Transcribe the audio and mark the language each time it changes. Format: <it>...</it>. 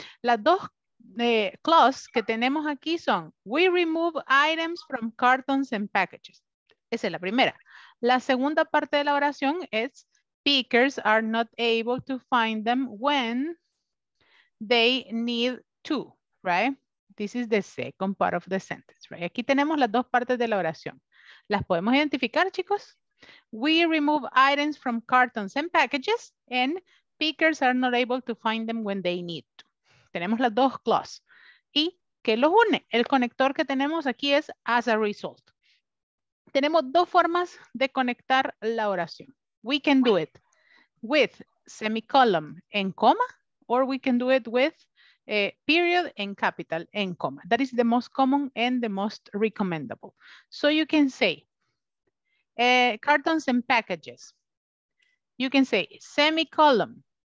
<es>Las dos clauses que tenemos aquí son,</es> <en>we remove items from cartons and packages.</en> <es>Esa es la primera. La segunda parte de la oración es,</es> <en>speakers are not able to find them when they need to, right? This is the second part of the sentence, right?</en> <es>Aquí tenemos las dos partes de la oración. ¿Las podemos identificar, chicos?</es> <en>We remove items from cartons and packages, and speakers are not able to find them when they need to.</en> <es>Tenemos las dos clauses. ¿Y qué los une? El conector que tenemos aquí es</es> <en>as a result.</en> <es>Tenemos dos formas de conectar la oración.</es> <en>We can do it with semicolon and comma, or we can do it with a period and capital and comma. That is the most common and the most recommendable. So you can say cartons and packages. You can say semicolon,</en>